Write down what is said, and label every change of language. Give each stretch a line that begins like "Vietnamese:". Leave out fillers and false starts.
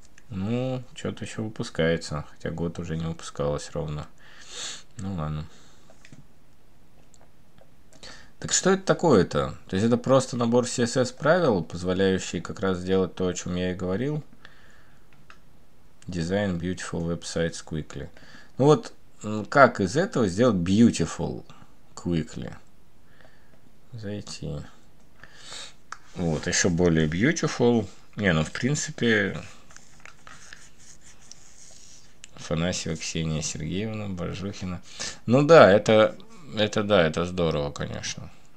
Russian: Ну, что-то еще выпускается. Хотя год уже не выпускалось ровно. Ну ладно. Так что это такое-то? То есть это просто набор CSS правил, позволяющий как раз сделать то, о чем я и говорил.
English: Design beautiful websites quickly.
Russian: Ну вот, как из этого сделать
English: beautiful quickly?
Russian: Зайти. Вот, еще более beautiful. Не, ну в принципе. Афанасьева Ксения Сергеевна, Боржухина. Ну да, это да, это здорово, конечно.